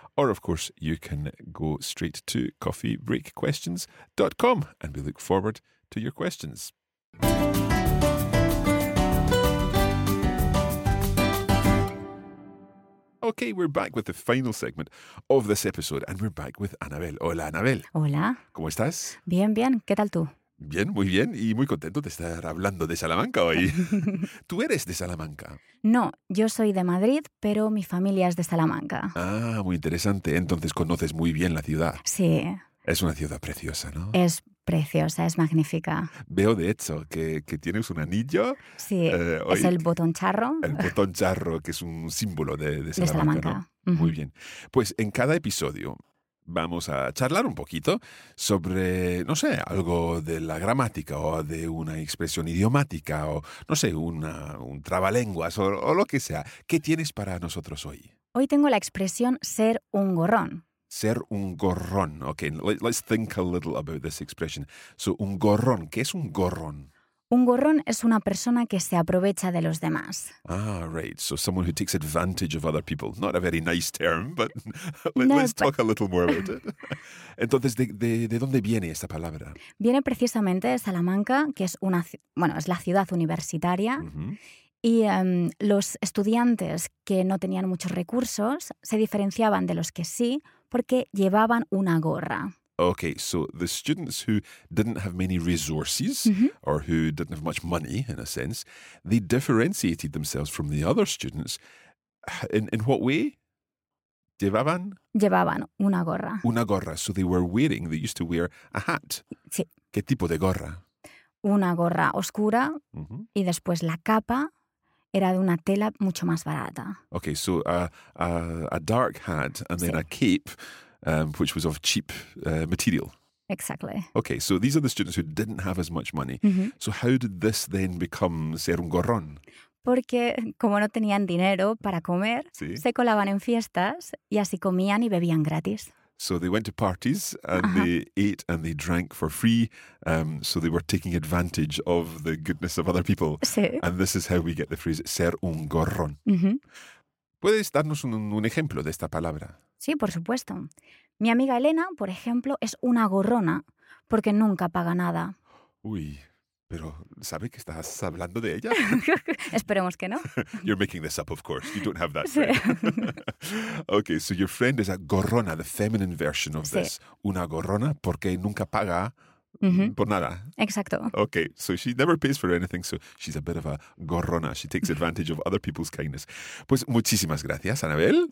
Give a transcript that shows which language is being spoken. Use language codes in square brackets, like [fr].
[en] Or, of course, you can go straight to coffeebreakquestions.com, and we look forward to your questions. Okay, we're back with the final segment of this episode, and we're back with Anabel. [es] Hola, Anabel. Hola. ¿Cómo estás? Bien, bien. ¿Qué tal tú? Bien, muy bien. Y muy contento de estar hablando de Salamanca hoy. ¿Tú eres de Salamanca? No, yo soy de Madrid, pero mi familia es de Salamanca. Ah, muy interesante. Entonces conoces muy bien la ciudad. Sí. Es una ciudad preciosa, ¿no? Es preciosa, es magnífica. Veo, de hecho, que tienes un anillo. Sí, es el botón charro. El botón charro, que es un símbolo de Salamanca. De Salamanca. ¿No? Uh-huh. Muy bien. Pues en cada episodio vamos a charlar un poquito sobre, no sé, algo de la gramática o de una expresión idiomática o, no sé, un trabalenguas o lo que sea. ¿Qué tienes para nosotros hoy? Hoy tengo la expresión ser un gorrón. Ser un gorrón. [en] Okay, let's think a little about this expression. [es] So, un gorrón. ¿Qué es un gorrón? Un gorrón es una persona que se aprovecha de los demás. [en] Ah, right. So, someone who takes advantage of other people. Not a very nice term, but let's talk a little more about it. [es] Entonces, ¿de dónde viene esta palabra? Viene precisamente de Salamanca, que es es la ciudad universitaria. Uh-huh. Y los estudiantes que no tenían muchos recursos se diferenciaban de los que sí porque llevaban una gorra. [en] Okay, so the students who didn't have many resources, mm-hmm. or who didn't have much money, in a sense, they differentiated themselves from the other students. In what way? [es] Llevaban una gorra. Una gorra. [en] So they used to wear a hat. [es] Sí. ¿Qué tipo de gorra? Una gorra oscura, mm-hmm. y después la capa. Era de una tela mucho más barata. [en] Okay, so a dark hat and then sí. a cape, which was of cheap material. Exactly. Okay, so these are the students who didn't have as much money. Mm-hmm. So how did this then become [es] ser un gorrón? Porque como no tenían dinero para comer, sí. Se colaban en fiestas y así comían y bebían gratis. [en] So they went to parties and uh-huh. They ate and they drank for free. So they were taking advantage of the goodness of other people. [es] Sí. [en] And this is how we get the phrase [es] ser un gorrón. Mm-hmm. ¿Puedes darnos un ejemplo de esta palabra? Sí, por supuesto. Mi amiga Elena, por ejemplo, es una gorrona porque nunca paga nada. Uy, pero ¿sabe que estás hablando de ella? Esperemos que no. [en] You're making this up, of course. You don't have that friend. [es] Sí. [en] Okay, so your friend is a gorrona, the feminine version of this. [es] Una gorrona porque nunca paga por nada. Exacto. [en] Okay, so she never pays for anything, so she's a bit of a gorrona. She takes advantage of other people's kindness. [es] Pues muchísimas gracias, Anabel.